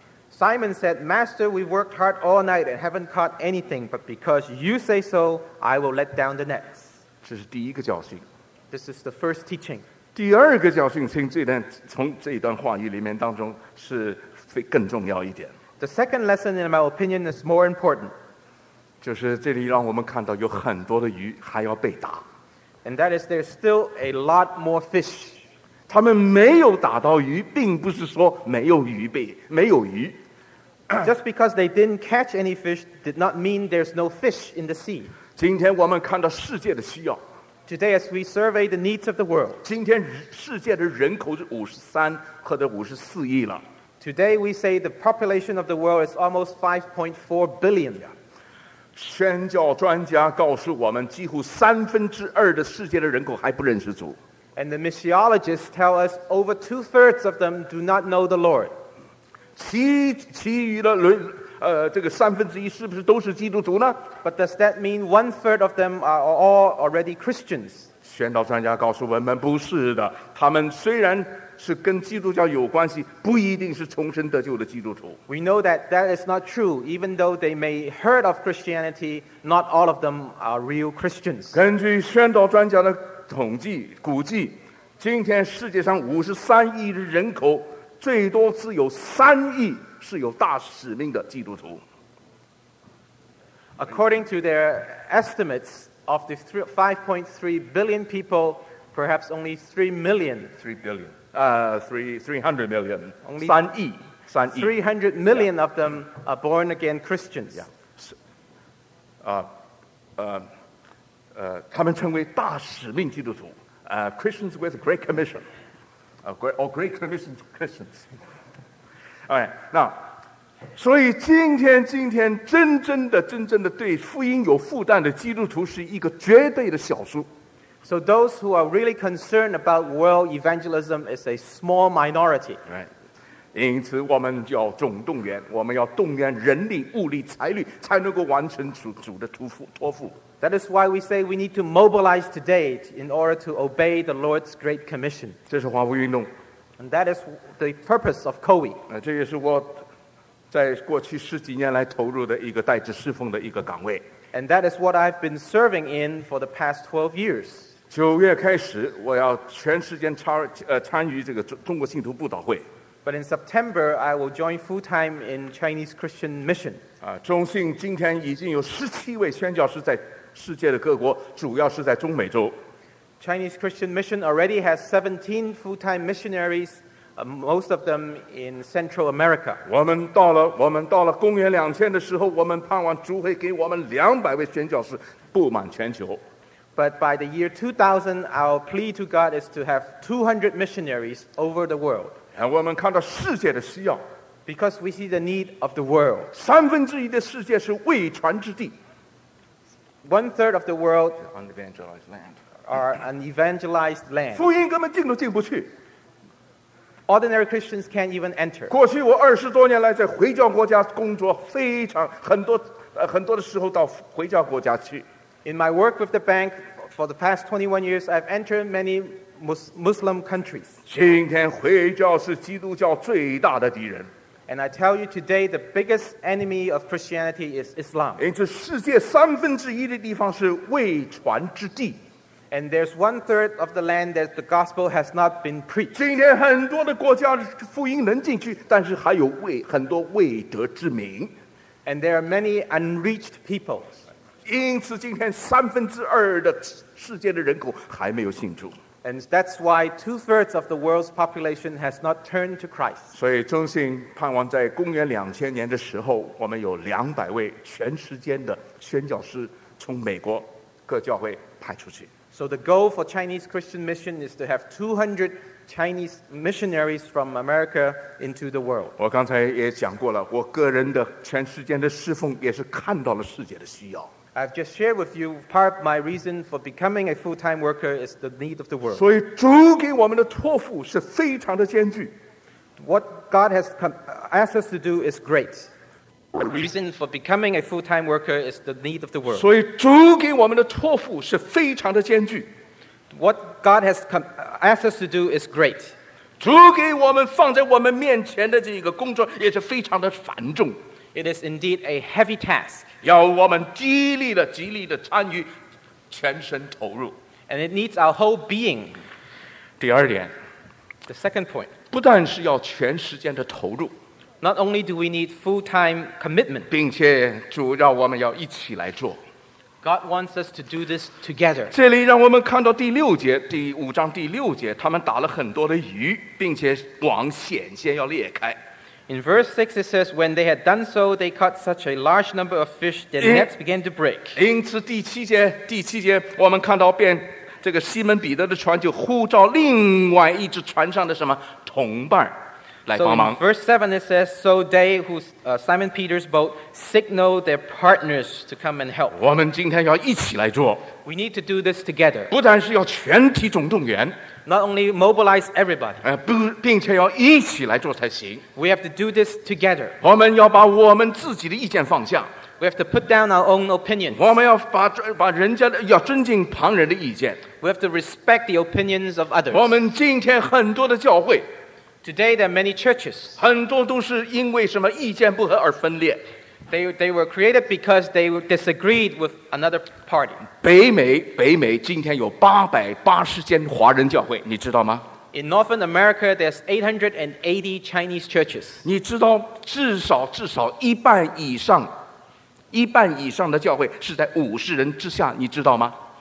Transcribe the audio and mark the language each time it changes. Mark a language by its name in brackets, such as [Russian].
[English] Simon said, Master, we've worked hard all night and haven't caught anything, but because you say so, I will let down the nets. [Chinese] 这是第一个教训。 [English] This is the first teaching. [Chinese] 第二个教训从这段话语里面当中是更重要一点。 [English] The second lesson, in my opinion, is more important. [Chinese] 就是这里让我们看到有很多的鱼还要被打。 [English] And that is, there's still a lot more fish. [Chinese] 他们没有打到鱼，并不是说没有鱼。 [English] Just because they didn't catch any fish did not mean there's no fish in the sea. [Chinese] 今天我们看到世界的需要。 [English] Today as we survey the needs of the world. [Chinese] 今天世界的人口是53亿了。 [English] Today we say the population of the world is almost 5.4 billion. [Chinese] 宣教专家告诉我们，几乎三分之二的世界的人口还不认识主。 [English] And the missiologists tell us over 2/3 of them do not know the Lord. [Chinese] 其余的三分之一是不是都是基督徒呢？ [English] But does that mean 1/3 of them are all already Christians? [Chinese] 宣道专家告诉我们不是的，他们虽然是跟基督教有关系，不一定是重生得救的基督徒。 [English] We know that that is not true. Even though they may heard of Christianity, not all of them are real Christians. [Chinese] 根据宣道专家的统计估计，今天世界上53亿的人口，最多只有3亿是有大使命的基督徒。 [English] According to their estimates of the 5.3 billion people, perhaps only 3 million. 3 billion. 300 million. 3亿 300 million of them are born again Christians. Yeah. [Chinese] 他们称为大使命基督徒 [English] Christians with Great Commission or Great Commission Christians. All right, now, [Chinese] 所以今天真正的对福音有负担的基督徒是一个绝对的少数。 [English] So those who are really concerned about world evangelism is a small minority. Right. [Chinese] 因此我们要总动员，我们要动员人力、物力、财力，才能够完成 主的托付。 [English] That is why we say we need to mobilize today in order to obey the Lord's Great Commission. [Chinese] 这是华为运动。 [English] And that is the purpose of COWI. [Chinese] 这也是我在过去十几年来投入的一个代职侍奉的一个岗位。 [English] And that is what I've been serving in for the past 12 years. [Chinese] 九月开始，我要全时间参与这个中国信徒布道会。 [English] But in September, I will join full-time in Chinese Christian Mission. [Chinese] 中信今天已经有17位宣教师在世界的各国，主要是在中美洲。 [English] Chinese Christian Mission already has 17 full-time missionaries, most of them in Central America. [Chinese] 我们到了公元2000的时候，我们盼望主会给我们200位宣教师布满全球。 [English] But by the year 2000, our plea to God is to have 200 missionaries over the world. [Chinese] And 我们看到世界的需要 [English] ，because we see the need of the world. [Chinese] 三分之一的世界是未传之地 [English] ，one third of the world unevangelized land are unevangelized land. [Chinese] 福音根本进都进不去 [English] ，ordinary Christians can't even enter. [Chinese] 过去我20多年来在回教国家工作，非常很多的时候到回教国家去。 [English] In my work with the bank for the past 21 years, I've entered many. Muslim countries. [Chinese] 今天回教是基督教最大的敌人。 [English] And I tell you today, the biggest enemy of Christianity is Islam. [Chinese] 因此，世界三分之一的地方是未传之地。 [English] And there's one third of the land that the gospel has not been preached. [Chinese] 今天很多的国家福音能进去，但是还有很多未得之民。 [English] And there are many unreached peoples. [Chinese] 因此，今天三分之二的世界的人口还没有信主。 [English] And that's why two-thirds of the world's population has not turned to Christ. [Chinese] 所以中信盼望在公元两千年的时候，我们有200位全时间的宣教师从美国各教会派出去。 [English] So the goal for Chinese Christian Mission is to have 200 Chinese missionaries from America into the world. [Chinese] 我刚才也讲过了，我个人的全时间的侍奉也是看到了世界的需要。 [English] I've just shared with you part of my reason for becoming a full-time worker is the need of the world. [Chinese] 所以主给我们的托付是非常的艰巨。 [English] What God has asked us to do is great. The reason for becoming a full-time worker is the need of the world. [Chinese] 所以主给我们的托付是非常的艰巨。 [English] What God has asked us to do is great. [Chinese] 主给我们放在我们面前的这个工作也是非常的繁重。 [English] It is indeed a heavy task. [Chinese] 要我们极力的参与，全身投入。 [English] And it needs our whole being. [Chinese] 第二点。 [English] The second point. [Chinese] 不但是要全时间的投入。 [English] Not only do we need full-time commitment. [Chinese] 并且主要我们要一起来做。 [English] God wants us to do this together. [Chinese] 这里让我们看到第六节，第五章第六节，他们打了很多的鱼，并且网险些要裂开。 [English] In verse 6 it says, when they had done so, they caught such a large number of fish, their nets began to break. [Chinese] 因此第七节我们看到便这个西门彼得的船就呼召另外一只船上的什么同伴来帮忙。 [English] So in verse 7 it says, so they who Simon Peter's boat signaled their partners to come and help. [Chinese] 我们今天要一起来做。 [English] We need to do this together. [Chinese] 不但是要全体总动员。 [English] Not only mobilize everybody. [Chinese] 并且要一起来做才行。 [English] We have to do this together. [Chinese] 我们要把我们自己的意见放下。 [English] We have to put down our own opinions. [Chinese] 我们要把人家的要尊敬旁人的意见。 [English] We have to respect the opinions of others. [Chinese] 我们今天很多的教会。 [English] Today there are many churches. [Chinese] 很多都是因为什么意见不合而分裂。 [English] They were created because they disagreed with another party. [Chinese] 北美今天有880间华人教会，你知道吗？ [English] In Northern America, there's 880 Chinese churches. [Chinese] 你知道至少一半以上的教会是在50人之下，你知道吗？